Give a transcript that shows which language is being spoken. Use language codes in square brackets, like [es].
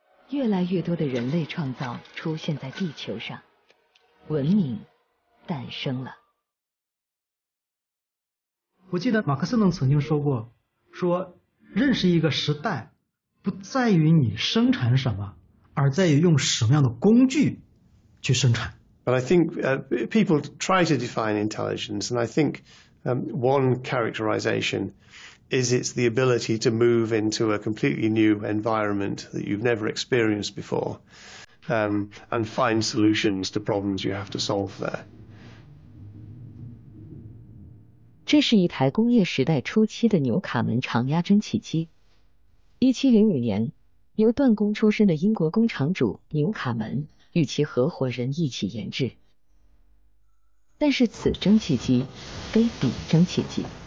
[zh] 越来越多的人类创造出现在地球上，文明诞生了。我记得马克思曾经说过，说认识一个时代不在于你生产什么，而在于用什么样的工具去生产。 [en] But I think people try to define intelligence, and I think one characterization is it's the ability to move into a completely new environment that you've never experienced before, and find solutions to problems you have to solve there. [zh] 这是一台工业时代初期的纽卡门常压蒸汽机。 1705年，由锻工出身的英国工厂主纽卡门与其合伙人一起研制。但是此蒸汽机非彼蒸汽机。